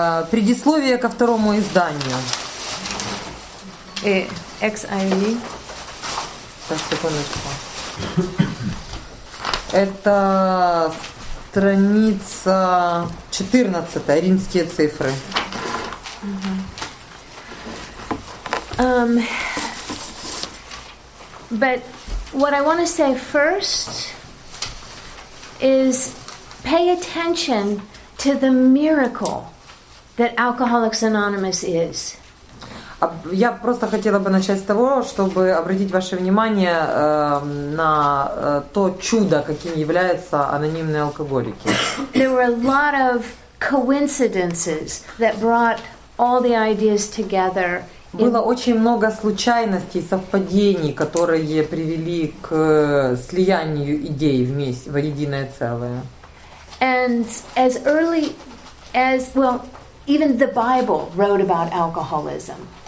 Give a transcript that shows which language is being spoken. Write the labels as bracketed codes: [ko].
[ru] Предисловие ко второму изданию. XIV. Так, секундочку. Это страница 14, римские цифры. [en] But what I want to say first is pay attention to the miracle that Alcoholics Anonymous is. [ru] Я просто хотела бы начать с того, чтобы обратить ваше внимание на то чудо, каким являются анонимные алкоголики. [en] There were a lot of coincidences that brought all the ideas together. [ru] Было очень много случайностей, совпадений, которые привели к слиянию идей вместе в единое целое. [en] And as early as, well, even the Bible wrote about alcoholism.